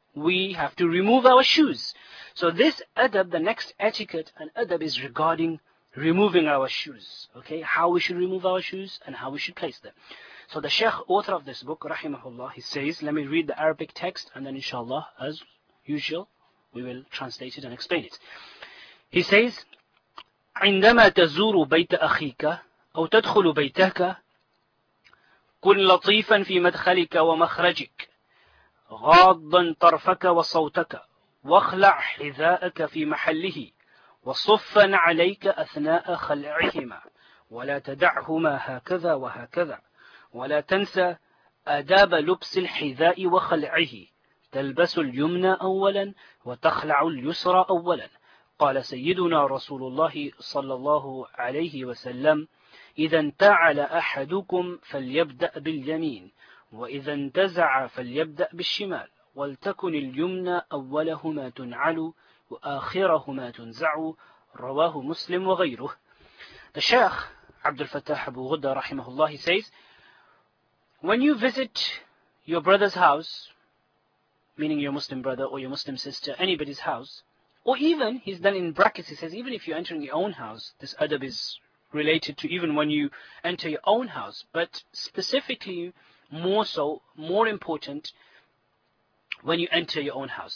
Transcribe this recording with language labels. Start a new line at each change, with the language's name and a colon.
English: We have to remove our shoes. So this adab, the next etiquette and adab, is regarding removing our shoes, okay? How we should remove our shoes and how we should place them. So the Sheikh, author of this book, rahimahullah, he says, let me read the Arabic text and then inshallah, as usual, we will translate it and explain it. He says,
Arabic: عندما تزور بيت أخيك أو تدخل بيتك كن لطيفا في مدخلك ومخرجك غاضا طرفك وصوتك واخلع حذاءك في محله وصفا عليك أثناء خلعهما ولا تدعهما هكذا وهكذا ولا تنسى آداب لبس الحذاء وخلعه تلبس اليمنى أولا وتخلع اليسرى أولا قال سيدنا رسول الله صلى الله عليه وسلم إذا انتعل أحدكم فليبدأ باليمين وإذا انتزع فليبدأ بالشمال ولتكن اليمنى أولهما تنعل وآخرهما تنزع رواه مسلم وغيره.
English: The Sheikh عبد الفتاح أبو غدة رحمه الله says, when you visit your brother's house, meaning your Muslim brother or your Muslim sister, anybody's house, or even, he's then in brackets, he says, even if you're entering your own house, this adab is related to even when you enter your own house, but specifically, more important, when you enter your own house.